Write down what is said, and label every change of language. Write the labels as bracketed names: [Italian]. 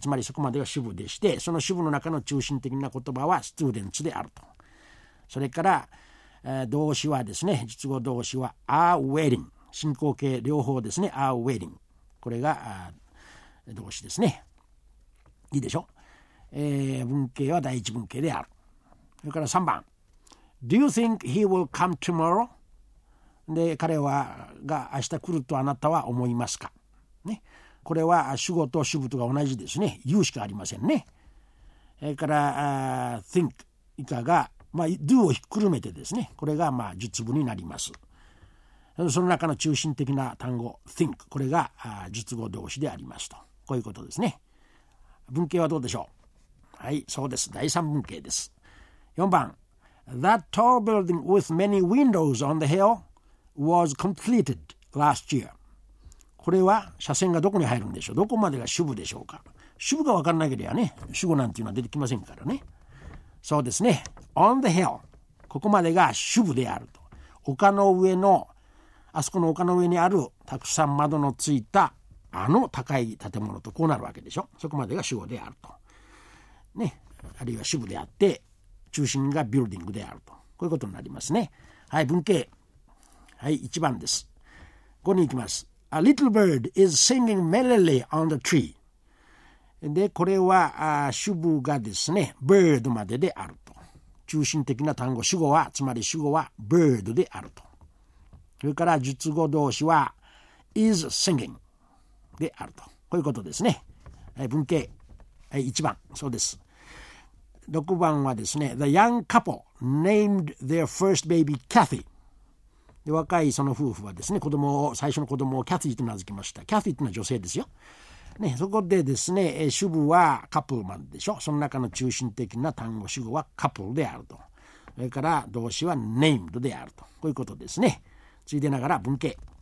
[Japanese] つまりそこまでが主部でして、その主部の中の中心的な言葉は students であると。それから、動詞はですね、述語動詞は are waiting、 進行形両方ですね、 are waiting、 これが動詞ですね。いいでしょ。文型は第一文型である。 [English] それから3番、Do you think he will come tomorrow? [Japanese] で、彼はが明日来るとあなたは思いますか、ね、これは主語と主部とが同じですね。言うしかありませんね。それから、think 以下が、まあ、do をひっくるめてですね、これが、まあ、述語になります。その中の中心的な単語 think、 これが述語動詞でありますと、こういうことですね。文型はどうでしょう。はい、そうです。第三文型です。4番。 [English] That tall building with many windows on the hill was completed last year. [Japanese] これは斜線がどこに入るんでしょう。どこまでが主部でしょうか。主部が分からなければね、主語なんていうのは出てきませんからね。そうですね。On the hill。ここまでが主部であると。丘の上の、あそこの丘の上にあるたくさん窓のついたあの高い建物とこうなるわけでしょ。そこまでが主語であると。ね。あるいは主部であって、中心がビルディングであると。こういうことになりますね。はい、文型。はい、1番です。5に行きます。 [English] A little bird is singing merrily on the tree. [Japanese] で、これは主部がですね、bird までであると。中心的な単語、主語は、つまり主語は bird であると。それから述語動詞は is singing であると。こういうことですね。はい、文型。はい、1番。そうです。 6番はですね、 [English] The young couple named their first baby Kathy. [Japanese] で、若いその夫婦はですね、子供を、最初の子供をキャティと名付けました。キャティというのは女性ですよ。ね、そこでですね、主部はカップルマンでしょ。その中の中心的な単語、主語はカップルであると。それから動詞は named であると。こういうことですね。ついでながら文型。